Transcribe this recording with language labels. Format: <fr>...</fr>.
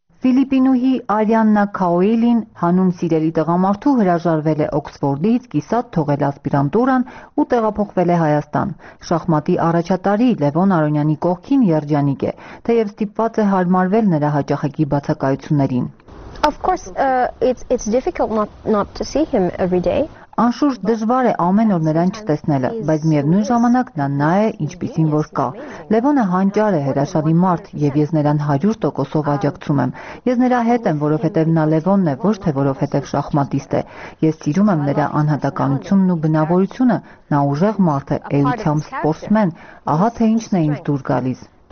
<hy>Ֆիլիպինուհի Արիաննա Քաուիլին, հանուն սիրելի տղամարդու, հրաժարվել է Օքսֆորդից, կիսատ թողել ասպիրանտուրան ու տեղափոխվել է Հայաստան։ Շախմատի առաջատարի Լևոն Արոնյանի կողքին երջանիկ է, թեև ստիպված է հարմարվել նրա հաճախակի բացակայություններին։</hy> <en>Of course, it's difficult not to see him every day.</en> <hy>Անշուշտ դժվար է ամեն օր նրան չտեսնելը, բայց միևնույն ժամանակ նա նա է, ինչպիսին որ կա։ Լևոնը հանճար է, հրաշալի մարդ, և ես նրան 100%-ով աջակցում եմ։ Ես նրա հետ եմ, որովհետև նա Լևոնն է, ոչ թե որովհետև շախմատիստ է։ Ես սիրում եմ նրա անհատականությունն ու բնավորությունը, նա ուժեղ մարդ է, էությամբ սպորտսմեն, ահա թե ինչն է ինձ դուր գալիս։</hy>